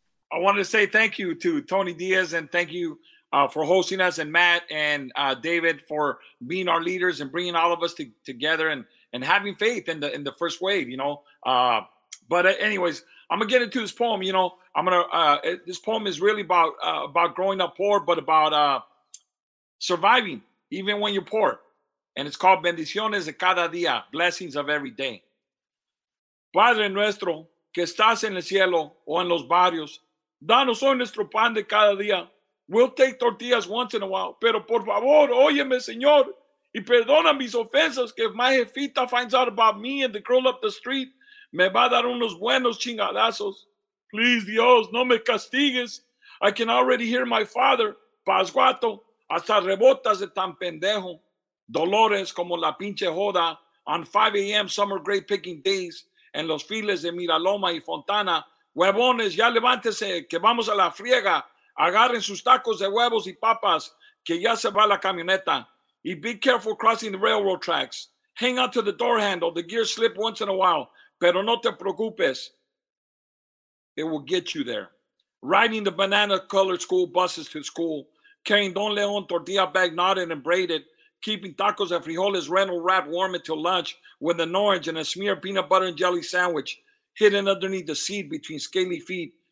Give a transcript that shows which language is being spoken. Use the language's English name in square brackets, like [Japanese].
[English] I wanted to say thank you to Tony Diaz, and thank you for hosting us, and Matt and David for being our leaders and bringing all of us together and having faith in the first wave, you know. But anyways, I'm going to get into this poem. You know, this poem is really about growing up poor, but about surviving even when you're poor. And it's called Bendiciones de Cada Día, Blessings of Every Day. [Spanish] Padre nuestro, que estás en el cielo o en los barrios, danos hoy nuestro pan de cada día. [English] We'll take tortillas once in a while, [Spanish] pero por favor, óyeme, Señor, y perdona mis ofensas, que [English] if my jefita finds out about me and the girl up the street, [Spanish] me va a dar unos buenos chingadazos. Please, Dios, no me castigues. [English] I can already hear my father, [Spanish] Pasguato, hasta rebotas de tan pendejo. Dolores como la pinche joda [English] on 5 a.m. summer grape picking days [Spanish] en los files de Miraloma y Fontana. Huevones, ya levántese, que vamos a la friega. Agarren sus tacos de huevos y papas, que ya se va la camioneta. [English] Y be careful crossing the railroad tracks. Hang on to the door handle, the gears slip once in a while. [Spanish] Pero no te preocupes, [English] it will get you there. Riding the banana-colored school buses to school, carrying Don Leon tortilla bag knotted and braided, keeping tacos and frijoles rental wrapped warm until lunch with an orange and a smear of peanut butter and jelly sandwich hidden underneath the seat between scaly feet.